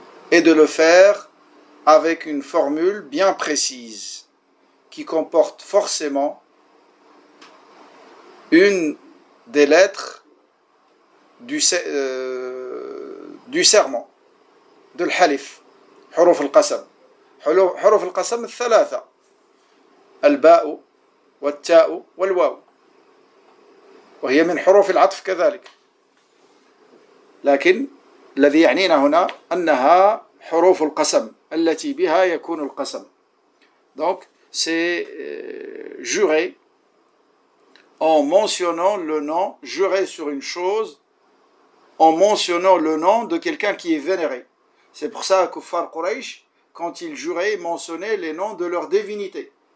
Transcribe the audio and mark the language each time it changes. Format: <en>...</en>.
<fr>et de le faire avec une formule bien précise qui comporte forcément une des lettres du serment, de l'halif,</fr> <ar>حروف القسم. حروف القسم الثلاثة: الباء والتاء والواو، وهي من حروف العطف كذلك، لكن الذي يعنينا هنا أنها حروف القسم التي بها يكون القسم.</ar> <fr>Donc c'est juré en mentionnant le nom, juré sur une chose en mentionnant le nom de quelqu'un qui est vénéré. C'est pour ça que Kuffar Quraysh, quand ils juraient, mentionnaient les noms de leur divinité.</fr>